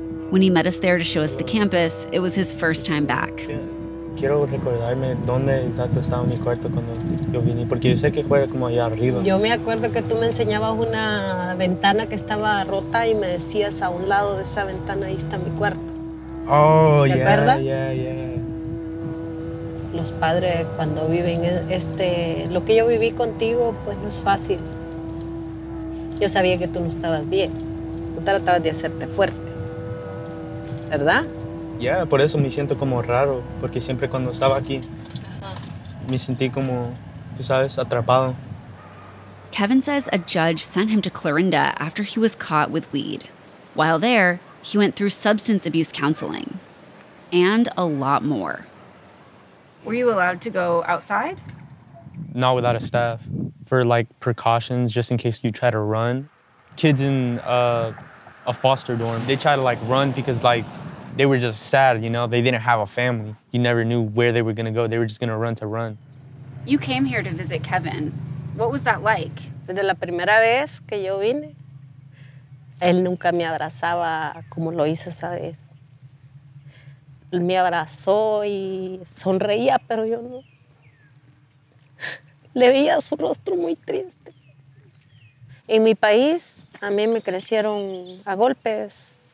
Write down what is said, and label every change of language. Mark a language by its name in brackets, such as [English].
[English] When he met us there to show us the campus, it was his first time back. [Spanish] Quiero recordarme dónde exacto estaba mi cuarto cuando yo vine, porque yo sé que fue como allá arriba. Yo me acuerdo que tú me enseñabas una ventana que estaba rota y me decías a un lado de esa ventana ahí está mi cuarto. Oh, ¿te acuerdas? [English] Yeah. [Spanish] Los padres cuando viven lo que yo viví contigo, pues no es fácil. Yo sabía que tú no estabas bien. Tú tratabas de hacerte fuerte. ¿Verdad? Ya, yeah, por eso me siento como raro. Porque siempre cuando estaba aquí, me sentí como, tú sabes, atrapado. [English] Kevin says a judge sent him to Clorinda after he was caught with weed. While there, he went through substance abuse counseling. And a lot more. Were you allowed to go outside? Not without a staff. For like precautions, just in case you try to run. Kids in a foster dorm, they try to like run because like they were just sad, you know? They didn't have a family. You never knew where they were gonna go. They were just gonna run to run. You came here to visit Kevin. What was that like? [Spanish] Desde la primera vez que yo vine, él nunca me abrazaba como lo hice esa vez. Él me abrazó y sonreía, pero yo no. Le veía su rostro muy triste. En mi país, a mí me crecieron a golpes.